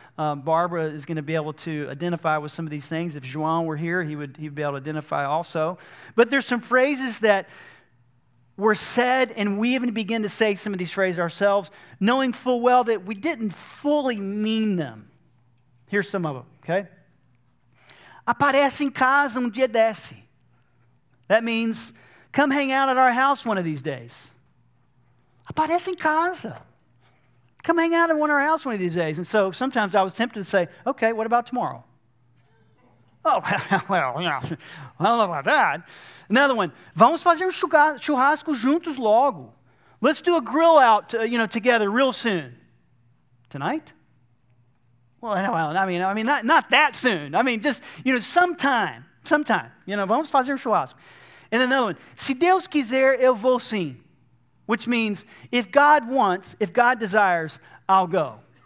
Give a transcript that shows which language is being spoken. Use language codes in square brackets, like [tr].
[en] Barbara is going to be able to identify with some of these things. If João were here, he'd be able to identify also. But there's some phrases that were said, and we even begin to say some of these phrases ourselves, knowing full well that we didn't fully mean them. Here's some of them, okay? [pt] Aparece em casa dia desse. [en] That means, come hang out at our house one of these days. [pt] Aparece em casa. [en] Come hang out at one of our house one of these days. And so sometimes I was tempted to say, okay, what about tomorrow? Oh, well, yeah. I don't know about that. Another one, [pt] vamos fazer um churrasco juntos logo. [en] Let's do a grill out, you know, together real soon. Tonight? Well, I mean, not that soon. I mean, just, you know, sometime, you know, [pt] vamos fazer um churrasco. [en] And another one, [pt] se Deus quiser, eu vou sim, [en] which means if God wants, if God desires, I'll go.